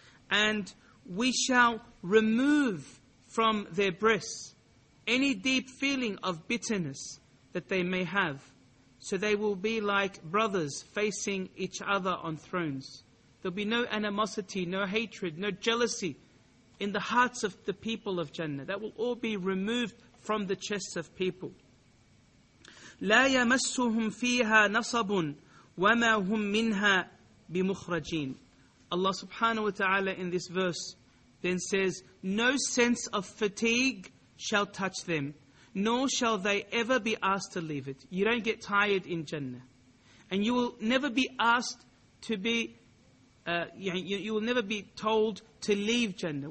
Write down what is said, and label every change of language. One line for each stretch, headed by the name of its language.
English: And we shall remove from their breasts any deep feeling of bitterness that they may have. So they will be like brothers facing each other on thrones. There'll be no animosity, no hatred, no jealousy in the hearts of the people of Jannah. That will all be removed from the chests of people.
Arabic: لا يمسهم فيها نصب وما هم منها بمخرجين.
English: Allah subhanahu wa ta'ala in this verse then says, no sense of fatigue shall touch them, nor shall they ever be asked to leave it. You don't get tired in Jannah. And you will never be asked to be, you will never be told to leave Jannah.